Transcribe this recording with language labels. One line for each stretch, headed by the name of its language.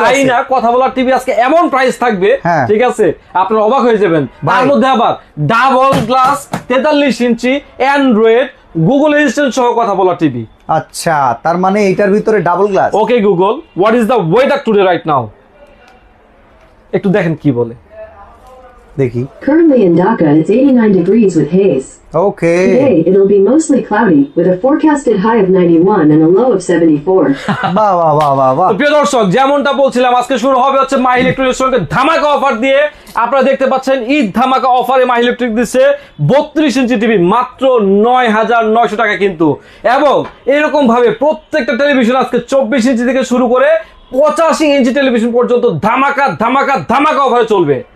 Bangla: তাই না কথা বলার টিভি আজকে এমন প্রাইস থাকবে ঠিক আছে আপনারা অবাক হয়ে যাবেন তার মধ্যে আবার ডাবল গ্লাস 43 ইঞ্চি অ্যান্ড্রয়েড গুগল অ্যাসিস্ট্যান্ট সহ কথা বলার টিভি আচ্ছা তার মানে এটার ভিতরে double glass
English: okay Google what is the weather today right now
Bangla: একটু দেখেন কি বলে দেখি
English: currently in Dhaka it's 89 degrees with haze Okay. Today it'll be mostly cloudy with a forecasted high of 91 and a low of 74.
Bangla: বাহ বাহ বাহ বাহ বাহ। তো প্রিয় দর্শক যেমনটা বলছিলাম আজকে শুরু হবে হচ্ছে মাহি ইলেকট্রনিক্সের সঙ্গে ধামাকা অফার দিয়ে আপনারা দেখতে পাচ্ছেন ঈদ ধামাকা অফারে মাহি ইলেকট্রনিক্স দিচ্ছে 32 ইঞ্চি টিভি মাত্র 9900 টাকা কিন্তু এবং এরকম ভাবে প্রত্যেকটা টেলিভিশন আজকে 24 ইঞ্চি থেকে শুরু করে 85 ইঞ্চি টেলিভিশন পর্যন্ত ধামাকা ধামাকা ধামাকা অফারে চলবে